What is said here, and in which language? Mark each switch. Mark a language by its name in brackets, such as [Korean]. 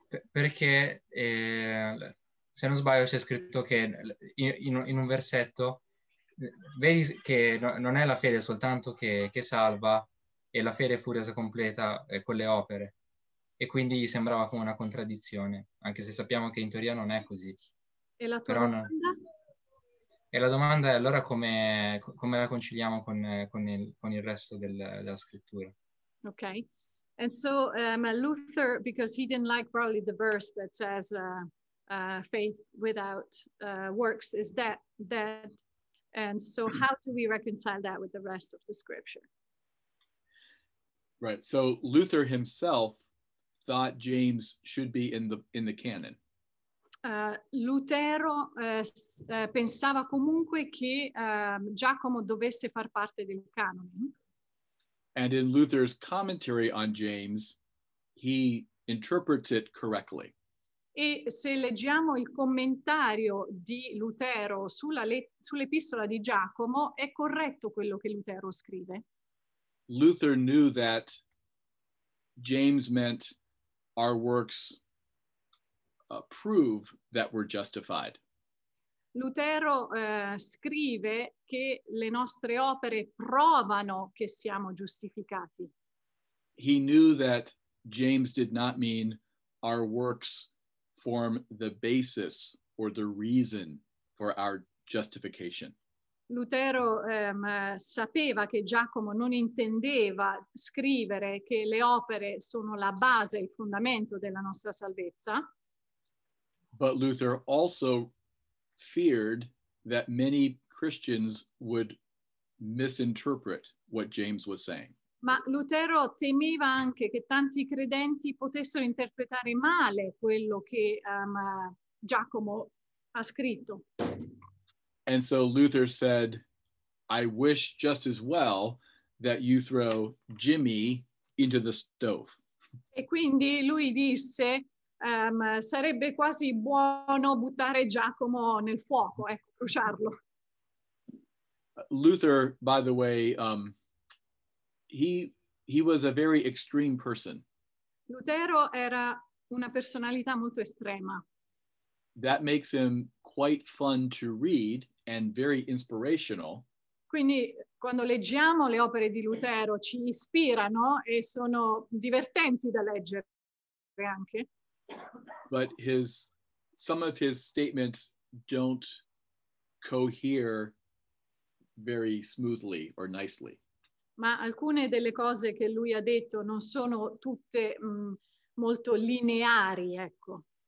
[Italian] Perché, se non sbaglio, c'è scritto che in un versetto vedi che non è la fede soltanto che salva, e la fede fu resa completa con le opere. e quindi sembrava come una contraddizione, anche se sappiamo che in teoria non è così. E la tua domanda? Non... E la domanda è allora come la conciliamo con il resto della scrittura. Ok. [English] And so Luther, because he didn't like probably the verse that says faith without works is dead. And so how do we reconcile that with the rest of the scripture? Right. So Luther himself thought James should be in the canon. [Italian] Lutero pensava comunque che Giacomo dovesse far parte del canone. [English] And in Luther's commentary on James, he interprets it correctly. [Italian] E se leggiamo il commentario di Lutero sull'epistola di Giacomo, è corretto quello che Lutero scrive? [English] Luther knew that James meant our works prove that we're justified. [Italian] Lutero scrive che le nostre opere provano che siamo giustificati. [English] He knew that James did not mean our works form the basis or the reason for our justification. [Italian] Lutero sapeva che Giacomo non intendeva scrivere che le opere sono la base, il fondamento della nostra salvezza. [English] But Luther also feared that many Christians would misinterpret what James was saying. [Italian] Ma Lutero temeva anche che tanti credenti potessero interpretare male quello che Giacomo ha scritto. [English] And so Luther said, I wish just as well that you throw Jimmy into the stove. [Italian] E quindi lui disse, sarebbe quasi buono buttare Giacomo nel fuoco, bruciarlo. [English] Luther, by the way, he was a very extreme person. [Italian] Lutero era una personalità molto estrema. [English] That makes him quite fun to read and very inspirational. [Italian] Quindi quando leggiamo le opere di Lutero ci ispirano e sono divertenti da leggere anche. [English] But some of his statements don't cohere very smoothly or nicely. [Italian] Ma alcune delle cose che lui ha detto non sono tutte molto lineari, ecco.